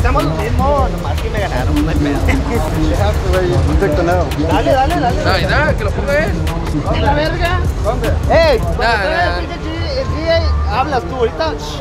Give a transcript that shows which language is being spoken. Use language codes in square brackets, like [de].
[es] Estamos lo mismo, nomás que me ganaron, no hay pedo. [en] You have to wait, you take the nail. [es] Dale. Ahí está, que lo ponga él. ¿En la verga? ¿Dónde? Ey, cuando tú eres el DJ, hablas tú ahorita.